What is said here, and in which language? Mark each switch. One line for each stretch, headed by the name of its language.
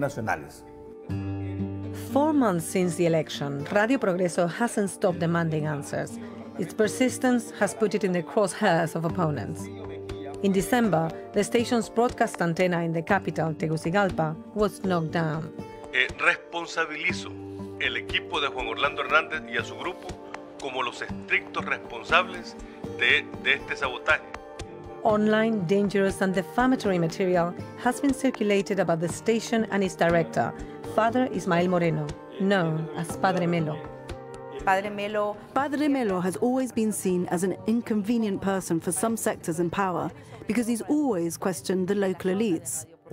English: 4 months since the election, Radio Progreso hasn't stopped demanding answers. Its persistence has put it in the crosshairs of opponents. In December, the station's broadcast antenna in the capital, Tegucigalpa, was knocked down.
Spanish: Responsabilizo el equipo de Juan Orlando Hernández y a su grupo como los estrictos responsables de este sabotaje.
English: Online, dangerous and defamatory material has been circulated about the station and its director, Father Ismael Moreno, known as Padre Melo. Padre Melo has always been seen as an inconvenient person for some sectors in power because he's always questioned the local elites.